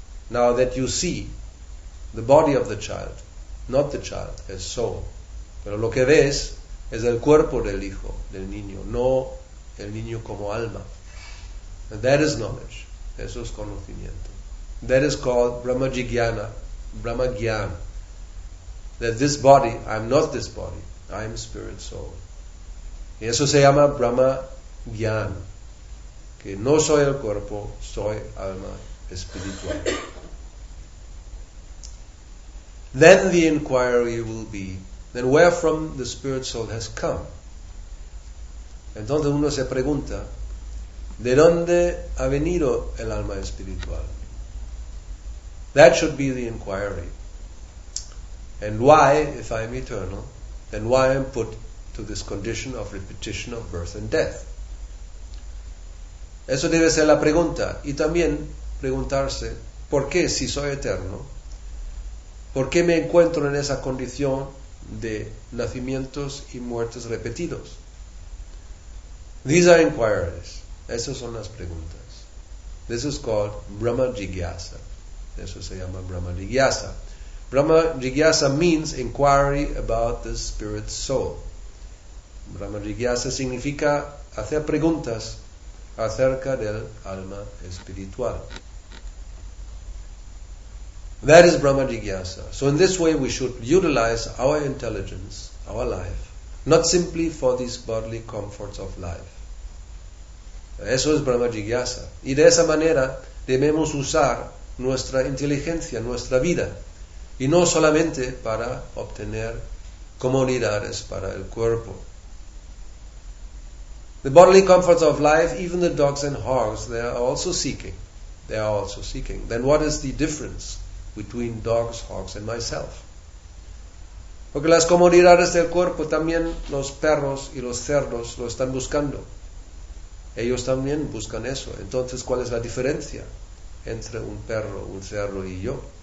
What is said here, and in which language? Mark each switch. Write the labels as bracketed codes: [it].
[en] Now that you see the body of the child, not the child, as soul. [es] Pero lo que ves es el cuerpo del hijo, del niño, no el niño como alma. [en] And that is knowledge. [es] Eso es conocimiento. [en] That is called Brahma Jigyana, Brahma Gyan. that this body, I am not this body, I am spirit soul. [es] Y eso se llama Brahma Gyan, que no soy el cuerpo, soy alma espiritual. [en] Then the inquiry will be, then where from the spirit soul has come? [es] Entonces uno se pregunta, ¿de dónde ha venido el alma espiritual? [en] That should be the inquiry. And why, if I am eternal, then why I am put to this condition of repetition of birth and death? [es] Eso debe ser la pregunta. Y también preguntarse, ¿por qué si soy eterno? ¿Por qué me encuentro en esa condición de nacimientos y muertes repetidos? [en] These are inquiries. [es] Esas son las preguntas. [en] This is called Brahma Jigyasa. [es] Eso se llama Brahma Jigyasa. [en] Brahma Jigyasa means inquiry about the spirit soul. [es] Brahma Jigyasa significa hacer preguntas acerca del alma espiritual. [en] That is Brahma Jigyasa. So in this way we should utilize our intelligence, our life, not simply for these bodily comforts of life. [es] Eso es Brahma Jigyasa. Y de esa manera debemos usar nuestra inteligencia, nuestra vida, y no solamente para obtener comodidades para el cuerpo. [en] The bodily comforts of life, even the dogs and hogs, they are also seeking. They are also seeking. Then what is the difference between dogs, hogs and myself? [es] Porque las comodidades del cuerpo también los perros y los cerdos lo están buscando. Ellos también buscan eso. Entonces, ¿cuál es la diferencia entre un perro, un cerdo y yo?